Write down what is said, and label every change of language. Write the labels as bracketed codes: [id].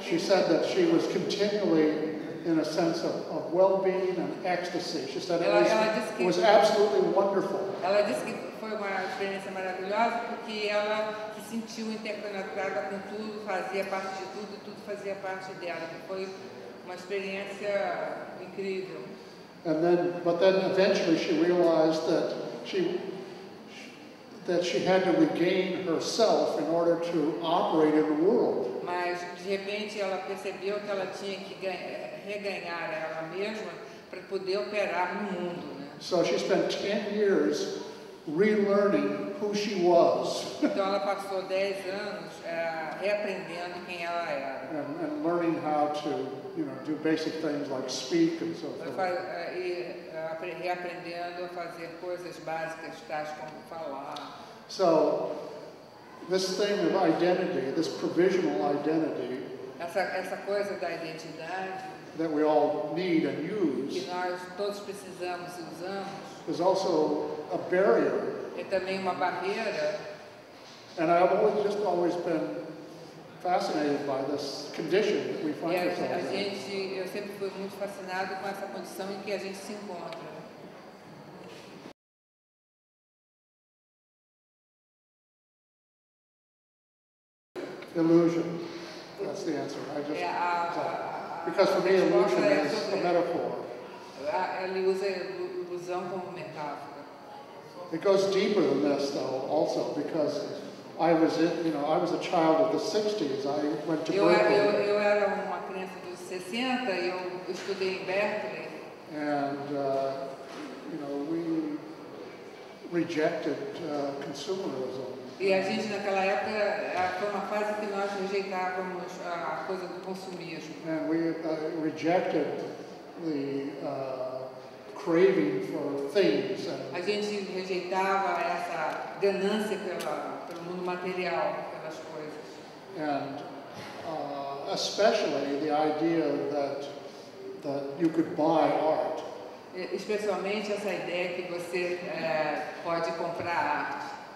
[en] She said that she was continually in a sense of well-being and ecstasy. She said it was absolutely wonderful. [pt] Ela disse que foi uma experiência maravilhosa porque ela se sentiu interconectada com tudo, fazia parte de tudo, tudo fazia parte dela. Foi uma experiência incrível. [en] And then, but then eventually she realized that she had to regain herself in order to operate in the world. [pt] Mas de repente ela percebeu que ela tinha que reganhar ela mesma para poder operar no mundo, né? [en] So she spent 10 years relearning who she was. [pt] Então ela passou 10 anos reaprendendo quem ela era. [en] And learning how to, you know, do basic things like speak and so forth. [pt] E reaprendendo a fazer coisas básicas, tais como falar. [en] So, this thing of identity, this provisional identity, [pt] essa coisa da identidade [en] that we all need and use, [pt] que nós todos precisamos e usamos, [en] is also a barrier. [pt] É também uma barreira. [en] And I've always just always been fascinated by this condition that we find ourselves in. [pt] A gente, eu sempre fui muito fascinado com essa condição em que a gente se encontra. [en] Illusion. That's the answer. I just because for me, illusion is a metaphor. [pt] Ele usa ilusão como metáfora. [en] It goes deeper than this, though, also because I was, I was a child of the 60s. I went to Berkeley. [pt] Eu era uma criança dos 60 e eu estudei em Berkeley. [en] And we rejected consumerism. [pt] E a gente naquela época foi uma fase que nós rejeitávamos a coisa do consumismo. [en] And we rejected the craving for things. [pt] A gente rejeitava essa ganância pelo mundo material, pelas coisas. [en] And especially the idea that you could buy art. [pt] Especialmente essa ideia que você pode comprar arte.